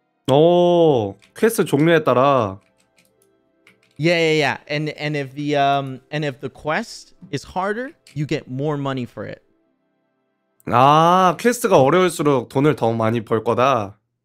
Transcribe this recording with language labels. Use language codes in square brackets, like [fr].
[ko] Oh, 퀘스트 종류에 따라. [en] Yeah. And if the quest is harder, you get more money for it. [ko] 아, 퀘스트가 어려울수록 돈을 더 많이 벌 거다.